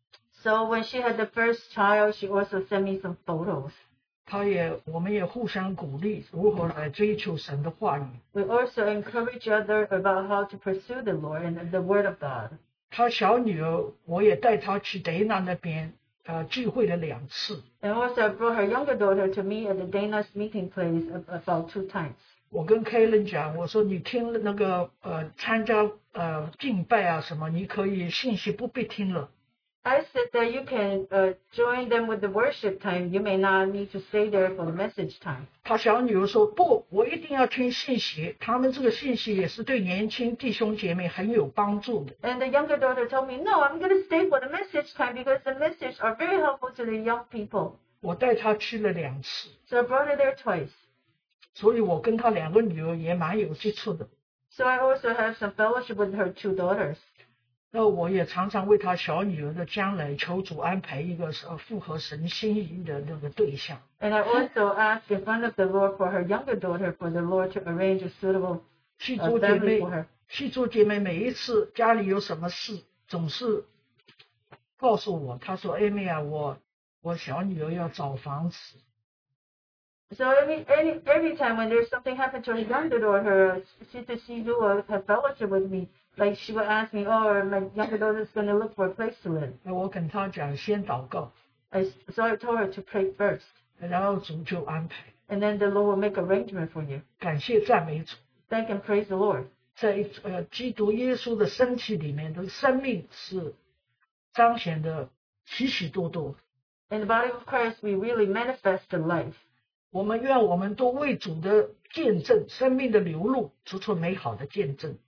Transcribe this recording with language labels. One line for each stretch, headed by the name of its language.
English: So when she had the first child, she also sent me some photos.
Chinese: 我们也互相鼓励如何来追求神的话语。
English: We also encourage other about how to pursue the Lord and the word of God.
Chinese: 她小女儿我也带她去德纳那边聚会了两次。
English: And also I brought her younger daughter to meet at the Dana's meeting place about two times.
Chinese: 我跟 Kaylin 讲，我说你听那个参加敬拜啊什么，你可以信息不必听了。
English: I said that you can join them with the worship time. You may not need to stay there for the message time.
Chinese: 她小女儿说，不，我一定要听信息。他们这个信息也是对年轻弟兄姐妹很有帮助的。
English: And the younger daughter told me, no, I'm going to stay for the message time because the message are very helpful to the young people.
Chinese: 我带她去了两次。
English: So I brought her there twice.
Chinese: 所以我跟她两个女儿也蛮有接触的。
English: So I also have some fellowship with her two daughters.
Chinese: 那我也常常为她小女儿的将来求主安排一个符合神心意的那个对象。
English: And I also ask in front of the Lord for her younger daughter for the Lord to arrange a suitable family for her.
Chinese: 细珠姐妹每一次家里有什么事，总是告诉我，她说 Amy 啊，我小女儿要找房子。
English: So every time when there's something happened to her younger daughter, Sister Sizu or her fellowship with me, like she would ask me, oh, my younger daughter's going to look for a place to live.
Chinese: 我跟她讲, 先祷告,
English: so I told her to pray first.
Chinese: 然后主就安排,
English: and then the Lord will make arrangement for you.
Chinese: 感谢赞美主,
English: thank and praise the Lord.
Chinese: 在, 基督耶稣的身体里面, 生命是彰显的许许多多,
English: in the body of Christ, we really manifest the life.
Chinese: 我们愿我们都为主的见证, 生命的流露, 主出美好的见证,